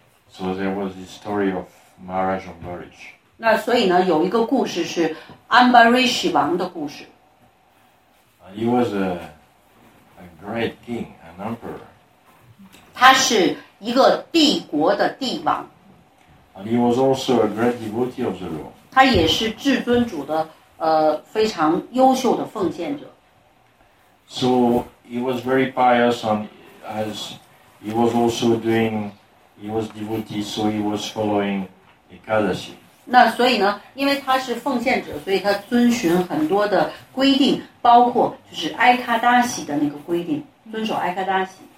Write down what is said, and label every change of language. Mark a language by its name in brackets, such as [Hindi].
[English] So there was the story of Maharaj Ambarish. [Chinese] 那所以呢，有一个故事是安巴瑞希王的故事。 [English] He was a great king, an emperor. [Chinese] 他是一个帝国的帝王。 [English] And he was also a great devotee of the Lord. [Chinese] 他也是至尊主的非常优秀的奉献者。 [English] So he was very pious, and as he was also doing, he was devotee, so he was following Ekadashi. [Chinese] 那所以呢，因为他是奉献者，所以他遵循很多的规定，包括就是埃卡达西的那个规定，遵守埃卡达西。